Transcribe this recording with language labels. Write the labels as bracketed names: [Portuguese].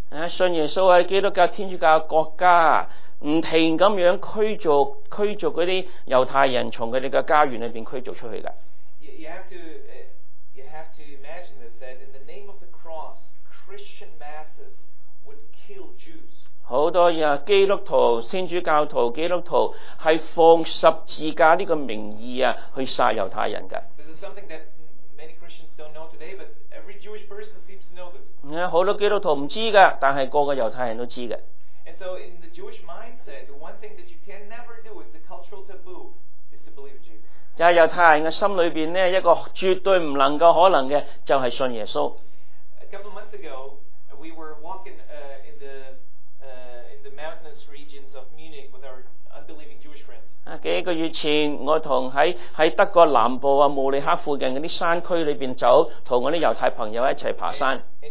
[Chinese] 信耶稣基督教天主教国家不停地驱逐那些犹太人从他们的家园里面驱逐出去的。 [English] You have to imagine this, that in the name of the cross, Christian masses would kill Jews. [Chinese] 很多基督徒天主教徒基督徒是奉十字架这个名义去杀犹太人的。 [English] This is something that many Christians don't know today, but every Jewish person [Chinese] 好多基督徒不知道的，但是个犹太人都知道的。 [English] And so in the Jewish mindset, the one thing that you can never do, it's a cultural taboo, is to believe Jesus. [Chinese] 就是犹太人的心里面呢，一个绝对不能够可能的，就是信耶稣。 [English] A couple of months ago, we were walking in the mountainous regions of Munich with our unbelieving Jewish friends. [Chinese] 几个月前，我同在德国南部慕尼克附近的山区里面走，同我的犹太朋友一起爬山。